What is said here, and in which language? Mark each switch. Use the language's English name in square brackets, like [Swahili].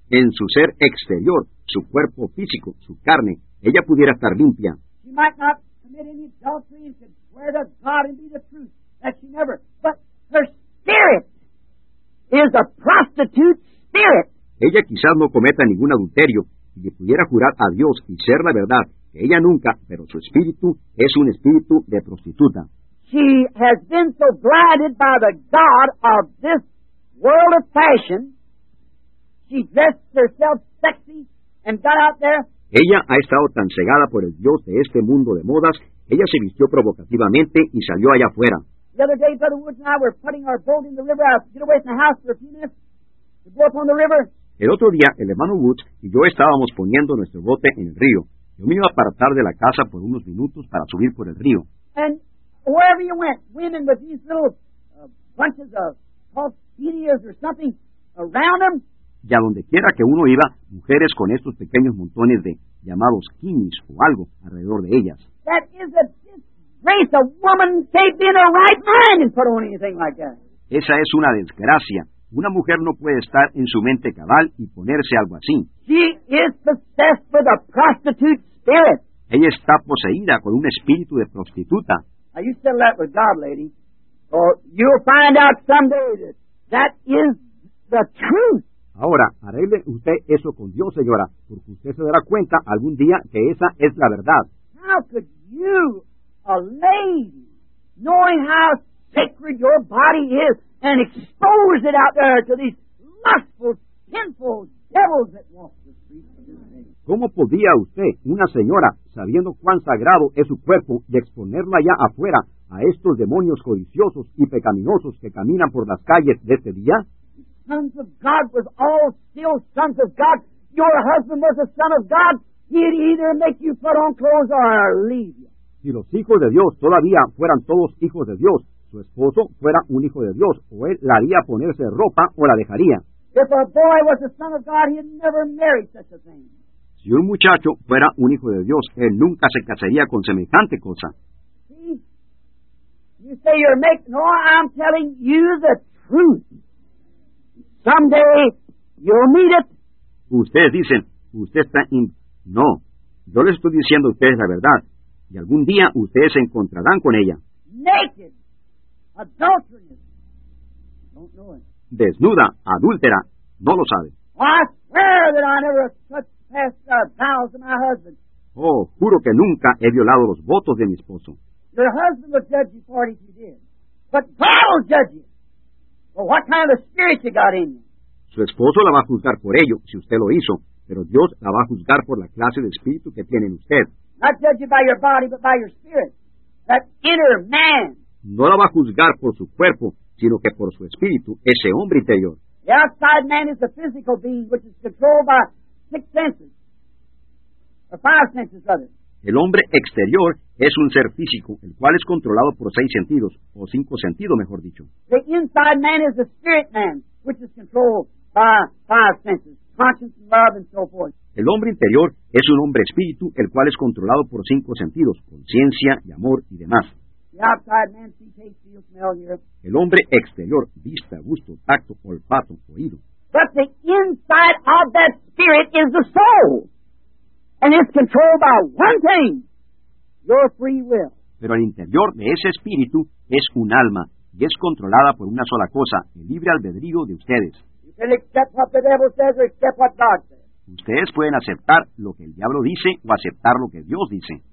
[Spanish] En su ser exterior, su cuerpo físico, su carne, ella pudiera estar limpia. [English] She might not commit any adultery and swear to God and be the truth. That she never. But her spirit is a prostitute spirit. [Spanish] Ella quizás no cometa ningún adulterio y le pudiera jurar a Dios y ser la verdad. Ella nunca, pero su espíritu es un espíritu de prostituta. [English] She has been so blinded by the god of this world of fashion. She dressed herself sexy and got out there. [Spanish] Ella ha estado tan cegada por el dios de este mundo de modas, ella se vistió provocativamente y salió allá afuera. [English] The other day, Brother Woods and I were putting our boat in the river. I get away from the house for a few minutes to go up on the river. [Spanish] El otro día, el hermano Woods y yo estábamos poniendo nuestro bote en el río. Yo me iba a apartar de la casa por unos minutos para subir por el río. [English] And wherever you went, women with these little bunches of calcedias or something around them. [Spanish] Y a donde quiera que uno iba, mujeres con estos pequeños montones de llamados kinis o algo alrededor de ellas. [English] That is a disgrace. A woman can't be in her right mind and put on anything like that. [Spanish] Esa es una desgracia. Una mujer no puede estar en su mente cabal y ponerse algo así. [English] She is possessed with a prostitute spirit. [Spanish] Ella está poseída con un espíritu de prostituta. [English] Now you settle that with God, lady, or you'll find out someday that that is the truth. [Spanish] Ahora, arregle usted eso con Dios, señora, porque usted se dará cuenta algún día que esa es la verdad. [English] How could you, a lady, knowing how sacred your body is, and expose it out there to these lustful, sinful devils that walk the streets of this city? [Spanish] ¿Cómo podía usted, una señora, sabiendo cuán sagrado es su cuerpo, y exponerla allá afuera a estos demonios codiciosos y pecaminosos que caminan por las calles de este día? [English] Sons of God was all still sons of God. Your husband was a son of God. He'd either make you put on clothes or leave you. [Spanish] Si los hijos de Dios todavía fueran todos hijos de Dios, su esposo fuera un hijo de Dios, o él la haría ponerse ropa o la dejaría. [English] If a boy was a son of God, he'd never marry such a thing. [Spanish] Si un muchacho fuera un hijo de Dios, él nunca se casaría con semejante cosa. [English] See? You say you're making... No, I'm telling you the truth. Someday, you'll meet it. [Spanish] Ustedes dicen, usted está in... No, yo les estoy diciendo a ustedes la verdad. Y algún día, ustedes se encontrarán con ella. [English] Naked. Adultery. Don't know it. [Spanish] Desnuda, adúltera, no lo sabe. [English] Well, I swear that I never touched past the vows of my husband. [Spanish] Oh, juro que nunca he violado los votos de mi esposo. [English] Your husband will judge you for it if you did. But God will judge you. Well, what kind of spirit you got in you? [Spanish] Su esposo la va a juzgar por ello, si usted lo hizo. Pero Dios la va a juzgar por la clase de espíritu que tiene en usted. [English] Not judge you by your body, but by your spirit. That inner man. [Spanish] No la va a juzgar por su cuerpo, sino que por su espíritu, ese hombre interior. [English] The outside man is the physical being, which is controlled by six senses, or five senses rather. [Spanish] El hombre exterior es un ser físico, el cual es controlado por seis sentidos, o cinco sentidos, mejor dicho. [English] The inside man is the spirit man, which is controlled by five senses, conscience and love and so forth. [Spanish] El hombre interior es un hombre espíritu, el cual es controlado por cinco sentidos, conciencia y amor y demás. [English] The outside man sees, tastes, feels, smells, hears. [Spanish] El hombre exterior, vista, gusto, tacto, olfato, oído. [English] But the inside of that spirit is the soul. And it's controlled by one thing, your free will. [Spanish] Pero el interior de ese espíritu es un alma, y es controlada por una sola cosa, el libre albedrío de ustedes. [English] You can accept what the devil says or accept what God says. [Spanish] Ustedes pueden aceptar lo que el diablo dice o aceptar lo que Dios dice.